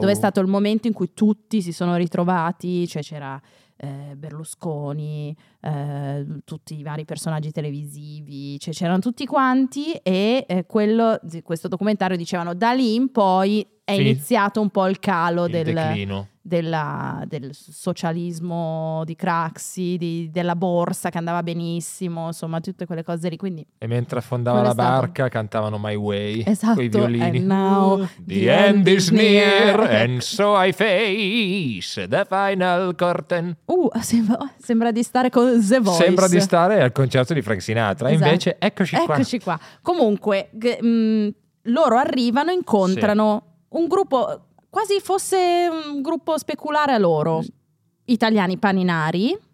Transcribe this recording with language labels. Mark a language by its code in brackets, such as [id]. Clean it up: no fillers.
[it] Dove è stato il momento in cui tutti si sono ritrovati, cioè c'era Berlusconi, tutti i vari personaggi televisivi, cioè c'erano tutti quanti, e quello, questo documentario dicevano da lì in poi è iniziato un po' il calo del socialismo di Craxi, della borsa che andava benissimo, insomma tutte quelle cose lì. Quindi, e mentre affondava la barca cantavano My Way, esatto, con i violini. [en] And now the end is near and so I face the final curtain. [it] Sembra di stare con The Voice. Sembra di stare al concerto di Frank Sinatra, esatto. Invece eccoci qua. Comunque loro arrivano, incontrano un gruppo... quasi fosse un gruppo speculare a loro, italiani paninari.